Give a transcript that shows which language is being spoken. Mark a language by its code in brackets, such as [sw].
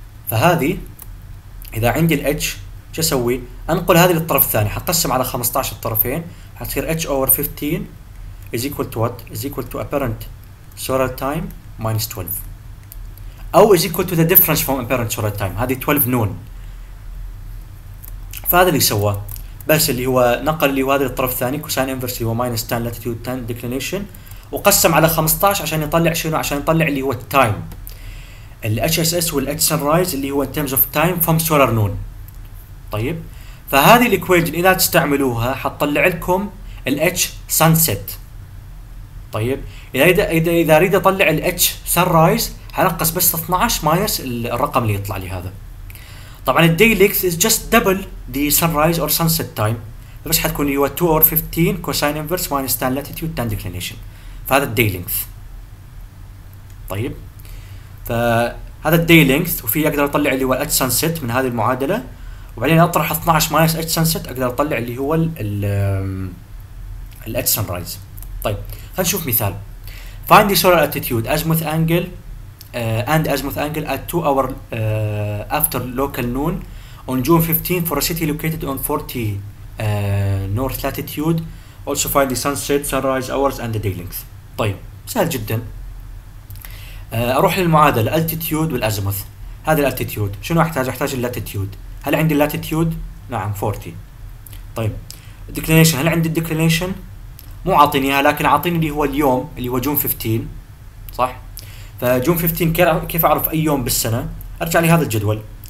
[en] فهذه اذا عندي الـ h شو اسوي؟ انقل هذه للطرف الثاني، حقسم على 15 الطرفين، حتصير h over 15 is equal to what is equal to apparent solar time minus 12، او is equal to the difference from apparent solar time، هذه 12 نون. [ar] فهذا اللي سواه، بس اللي هو نقل اللي هو هذا للطرف الثاني كوساين انفرس اللي هو minus 10 latitude 10 declination، وقسم على 15 عشان يطلع شنو؟ عشان يطلع اللي هو التايم ال HSS وال H sunrise اللي هو in terms of time from solar noon. طيب فهذه الايكويجن اذا تستعملوها حتطلع لكم ال H sunset. طيب اذا اريد اطلع ال H sun rise حنقص بس 12 ماينس الرقم اللي يطلع لي هذا. [en] طبعا ال day length is just double the sun rise or sunset time، بس حتكون هو 2 over 15 cosine inverse minus 10 latitude 10 declination. [ar] فهذا ال day length. طيب فهذا ال day length، وفي اقدر اطلع اللي هو ال H sunset من هذه المعادله، وبعدين اطرح 12 ماينس H sunset اقدر اطلع اللي هو ال H sun rise. طيب هنشوف مثال. [en] Find the solar latitude, azimuth angle and azimuth angle at 2 hour after local noon on June 15 for a city located on 40 north latitude. Also find the sunset, sunrise hours and the day length. [ar] طيب سهل جدا. اروح للمعادلة altitude والazimuth. هذا altitude شنو احتاج؟ احتاج latitude. هل عندي latitude؟ نعم 40. طيب declination، هل عندي declination؟ مو عاطيني اياها، لكن عاطيني اللي هو اليوم اللي هو جون 15، صح؟ فجون 15 كيف اعرف اي يوم بالسنه؟ ارجع لهذا الجدول.